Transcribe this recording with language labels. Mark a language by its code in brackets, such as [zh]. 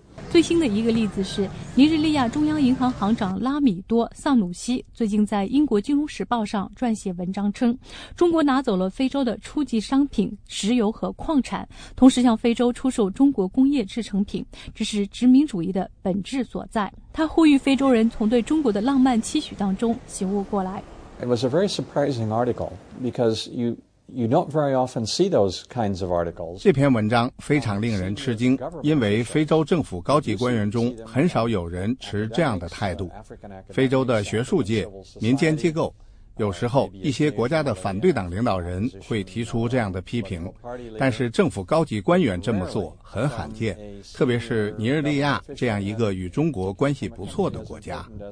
[zh] 最新的一个例子是尼日利亚中央银行行长拉米多·萨努西最近在英国金融时报上撰写文章称，中国拿走了非洲的初级商品石油和矿产，同时向非洲出售中国工业制成品，这是殖民主义的本质所在。他呼吁非洲人从对中国的浪漫期许当中醒悟过来。 [en] It was a very surprising article because you don't very often see those kinds of articles. [zh] 这篇文章非常令人吃惊，因为非洲政府高级官员中很少有人持这样的态度。非洲的学术界、民间机构，有时候一些国家的反对党领导人会提出这样的批评，但是政府高级官员这么做很罕见，特别是尼日利亚这样一个与中国关系不错的国家。